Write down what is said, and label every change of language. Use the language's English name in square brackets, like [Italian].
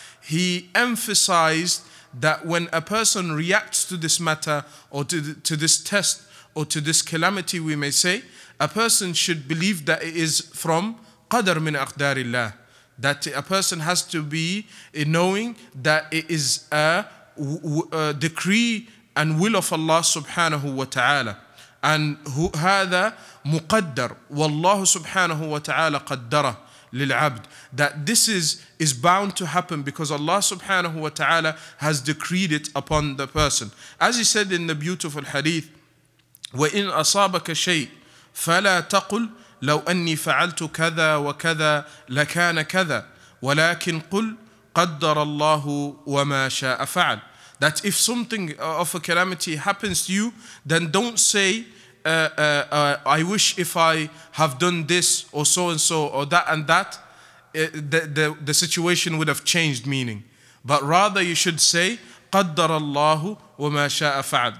[English] he emphasized that when a person reacts to this matter or to this test or to this calamity, we may say, a person should believe that it is from [Arabic] قَدَرْ مِنْ أَقْدَارِ اللَّهِ, [English] that a person has to be knowing that it is a decree and will of Allah subhanahu wa ta'ala. And [Arabic] هذا مُقَدَّر وَاللَّهُ سُبْحَانَهُ وَتَعَالَى قَدَّرَهُ لِلْعَبْدِ, [English] that this is bound to happen because Allah subhanahu wa ta'ala has decreed it upon the person. As he said in the beautiful hadith, [Arabic] وَإِنْ أَصَابَكَ شَيْءٍ فَلَا تَقُلْ لو أني فعلت كذا وكذا لكان كذا ولكن قل قدر الله وما شاء فعل. [English] That if something of a calamity happens to you, then don't say, I wish if I have done this or so and so or that and that, the situation would have changed meaning. But rather you should say, [Arabic] قدر الله وما شاء فعل.